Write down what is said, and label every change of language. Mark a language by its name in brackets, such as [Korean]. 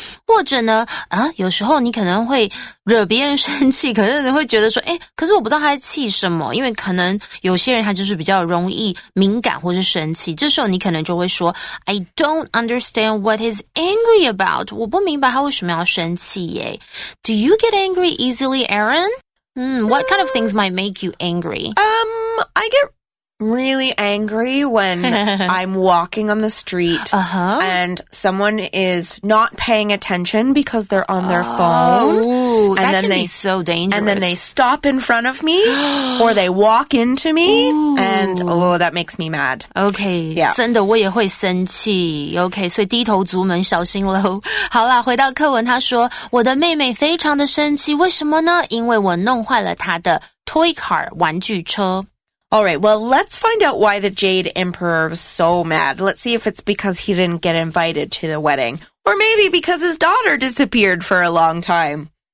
[Chinese] 或者呢啊有时候你可能会惹别人生气可是你会觉得说诶可是我不知道他在气什么因为可能有些人他就是比较容易敏感或是生气。这时候你可能就会说 [English] I don't understand what he's angry about. [Chinese] 我不明白他为什么要生气耶。 [English] Do you get angry easily, Aaron? What kind of things might make you angry? I get... really angry when I'm walking on the street、 uh-huh. and someone is not paying attention because they're on their phone. Ooh, and that can be so dangerous. And then they stop in front of me or they walk into me、 Ooh. And oh, that makes me mad. Okay,、 yeah. [Chinese] 真的我也会生气。Okay, 所以低头族们小心咯。好啦回到课文他说我的妹妹非常的生气为什么呢因为我弄坏了她的 toy car, 玩具车。 [English] Alright, well, let's find out why the Jade Emperor was so mad. Let's see if it's because he didn't get invited to the wedding. Or maybe because his daughter disappeared for a long time.